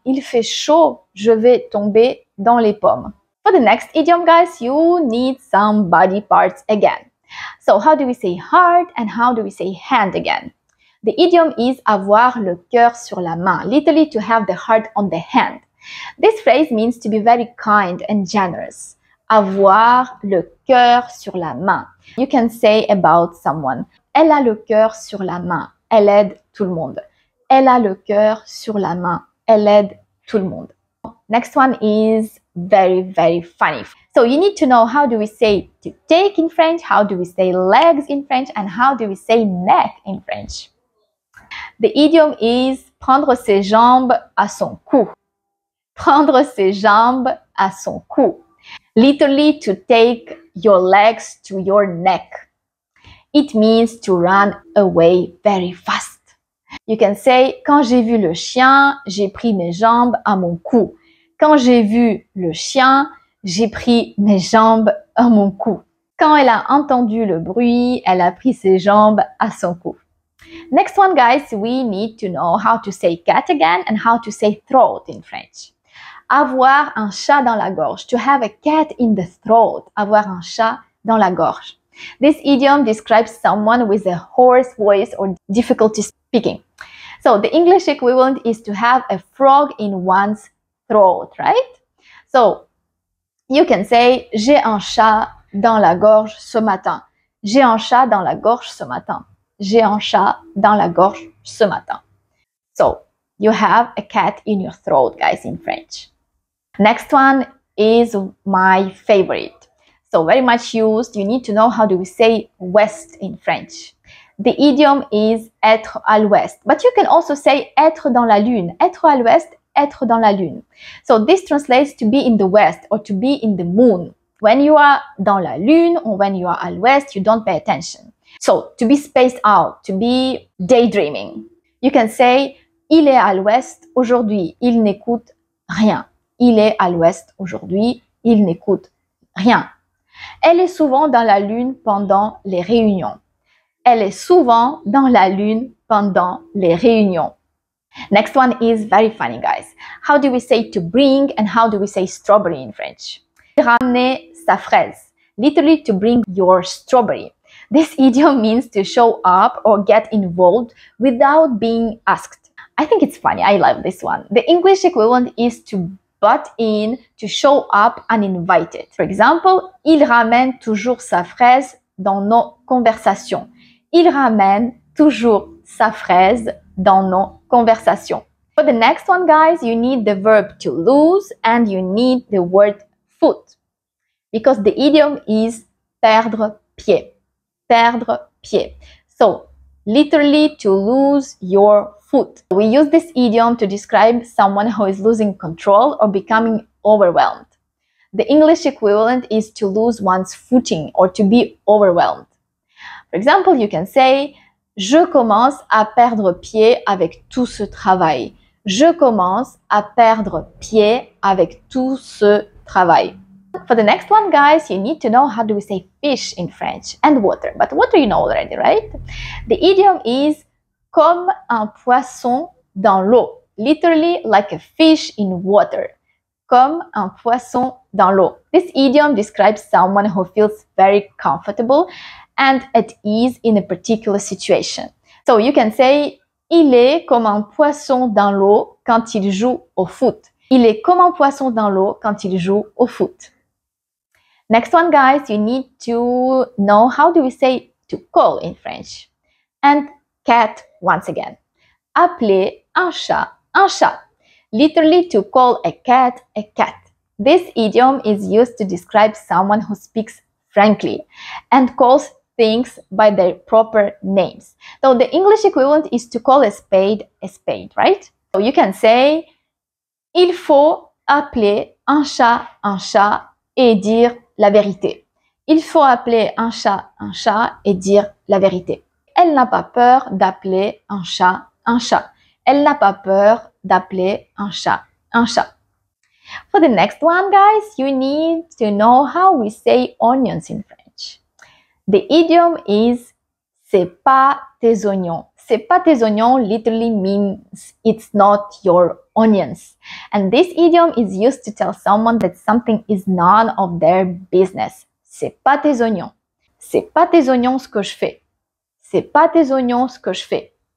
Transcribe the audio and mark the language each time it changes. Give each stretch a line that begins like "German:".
French: Il fait chaud, je vais tomber dans les pommes.
English: For the next idiom, guys, you need some body parts again. So how do we say heart and how do we say hand again? The idiom is
French: avoir le cœur sur la main,
English: literally to have the heart on the hand. This phrase means to be very kind and generous.
French: Avoir le cœur sur la main.
English: You can say about someone,
French: elle a le cœur sur la main, elle aide tout le monde. Elle a le cœur sur la main, elle aide tout le monde.
English: Next one is very, very funny. So you need to know how do we say to take in French, how do we say legs in French, and how do we say neck in French. The idiom is
French: prendre ses jambes à son cou. Prendre ses jambes à son cou.
English: Literally, to take your legs to your neck. It means to run away very fast. You can say,
French: quand j'ai vu le chien, j'ai pris mes jambes à mon cou. Quand j'ai vu le chien, j'ai pris mes jambes à mon cou. Quand elle a entendu le bruit, elle a pris ses jambes à son cou.
English: Next one, guys, we need to know how to say cat again and how to say throat in French.
French: Avoir un chat dans la gorge.
English: To have a cat in the throat.
French: Avoir un chat dans la gorge.
English: This idiom describes someone with a hoarse voice or difficulty speaking. So the English equivalent is to have a frog in one's throat, right? So you can say,
French: j'ai un chat dans la gorge ce matin. J'ai un chat dans la gorge ce matin. J'ai un chat dans la gorge ce matin.
English: So you have a cat in your throat, guys, in French. Next one is my favorite. So very much used. You need to know how do we say west in French. The idiom is
French: être à l'ouest.
English: But you can also say
French: être dans la lune. Être à l'ouest, être dans la lune.
English: So this translates to be in the west or to be in the moon. When you are
French: dans la lune
English: or when you are
French: à l'ouest,
English: you don't pay attention. So to be spaced out, to be daydreaming. You can say
French: il est à l'ouest aujourd'hui. Il n'écoute rien. Il est à l'ouest aujourd'hui. Il n'écoute rien. Elle est souvent dans la lune pendant les réunions. Elle est souvent dans la lune pendant les réunions.
English: Next one is very funny, guys. How do we say to bring and how do we say strawberry in French?
French: Ramener sa fraise.
English: Literally, to bring your strawberry. This idiom means to show up or get involved without being asked. I think it's funny. I love this one. The English equivalent is to butt in, to show up uninvited. For example,
French: il ramène toujours sa fraise dans nos conversations. Il ramène toujours sa fraise dans nos conversations.
English: For the next one, guys, you need the verb to lose and you need the word foot. Because the idiom is
French: perdre pied. Perdre pied.
English: So, literally, to lose your foot. We use this idiom to describe someone who is losing control or becoming overwhelmed. The English equivalent is to lose one's footing or to be overwhelmed. For example, you can say,
French: je commence à perdre pied avec tout ce travail. Je commence à perdre pied avec tout ce travail.
English: For the next one, guys, you need to know how do we say fish in French and water. But water you know already, right? The idiom is
French: comme un poisson dans l'eau.
English: Literally, like a fish in water.
French: Comme un poisson dans l'eau.
English: This idiom describes someone who feels very comfortable and at ease in a particular situation. So you can say,
French: il est comme un poisson dans l'eau quand il joue au foot. Il est comme un poisson dans l'eau quand il joue au foot.
English: Next one, guys, you need to know how do we say to call in French. And cat, once again.
French: Appeler un chat.
English: Literally, to call a cat. This idiom is used to describe someone who speaks frankly and calls things by their proper names. So the English equivalent is to call a spade, right? So you can say,
French: il faut appeler un chat et dire la vérité. Il faut appeler un chat et dire la vérité. Elle n'a pas peur d'appeler un chat, Elle n'a pas peur d'appeler un chat.
English: For the next one, guys, you need to know how we say onions in French. The idiom is
French: c'est pas tes oignons. C'est pas tes oignons
English: literally means it's not your onions. And this idiom is used to tell someone that something is none of their business.
French: C'est pas tes oignons. C'est pas tes oignons ce que je fais. C'est pas tes oignons ce que je fais.